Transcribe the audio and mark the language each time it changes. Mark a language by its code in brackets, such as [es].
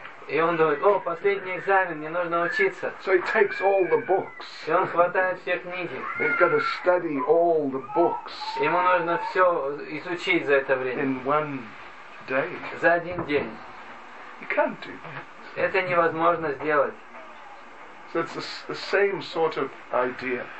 [ru] И он думает, о, последний экзамен, мне нужно учиться. [en] So he takes all the books. [ru] И он хватает все книги. [en] He's got to study all the books. [ru] Ему нужно все изучить за это время. [en] In one day. [ru] За один день. [en] You can't do that. [ru] Это невозможно сделать. [en] So it's the same sort of idea.